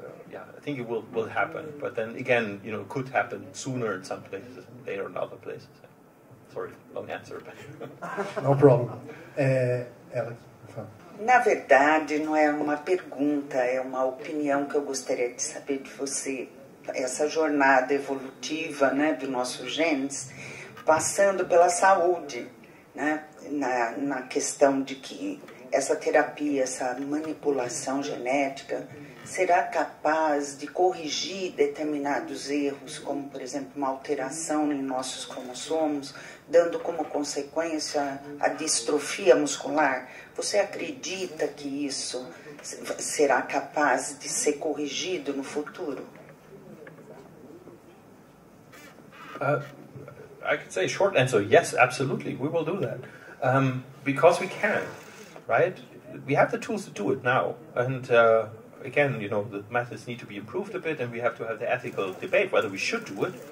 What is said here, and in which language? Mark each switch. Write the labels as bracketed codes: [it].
[en] Yeah, I think it will happen. But then again, you know, it could happen sooner in some places and later in other places. Sorry, long answer. But no problem. Alex, [pt] na verdade, não é uma pergunta, é uma opinião que eu gostaria de saber de você. Essa jornada evolutiva, né, do nosso genes, passando pela saúde, né, na questão de que essa terapia, essa manipulação genética, será capaz de corrigir determinados erros, como, por exemplo, uma alteração em nossos cromossomos, dando como consequência a distrofia muscular? Você acredita que isso será capaz de ser corrigido no futuro? [en] I could say short answer, yes, absolutely, we will do that. Because we can, right? We have the tools to do it now. And again, you know, the methods need to be improved a bit, and we have to have the ethical debate whether we should do it.